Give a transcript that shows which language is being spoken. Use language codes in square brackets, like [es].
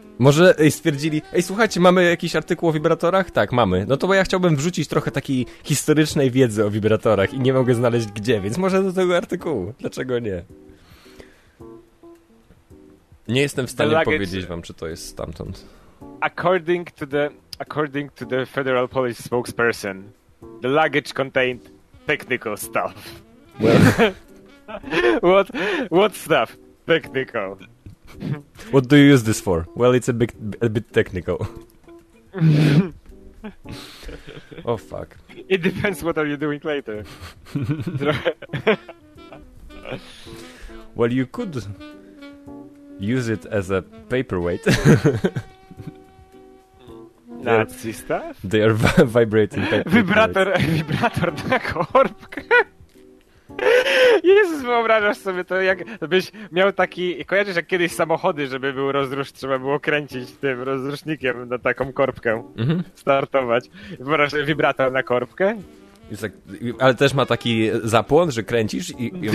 [pl] Może stwierdzili, ej, słuchajcie, mamy jakiś artykuł o wibratorach? Tak, mamy. No to bo ja chciałbym wrzucić trochę takiej historycznej wiedzy o wibratorach i nie mogę znaleźć gdzie, więc może do tego artykułu. Dlaczego nie? Nie jestem w stanie powiedzieć wam, czy to jest stamtąd. [en] According to the Federal Police spokesperson, the luggage contained technical stuff. What stuff? Technical. What do you use this for? Well, it's a bit technical. Oh fuck. It depends what are you doing later. Well, you could use it as a paperweight. Nazi stuff? They are vibrating paperweights. [pl] Vibrator na korbkę. Jezus, wyobrażasz sobie to, jakbyś miał taki... Kojarzysz, jak kiedyś samochody, żeby był rozrusz, trzeba było kręcić tym rozrusznikiem na taką korbkę, startować. Wyobrażasz sobie wibrator na korbkę? Tak, ale też ma taki zapłon, że kręcisz i...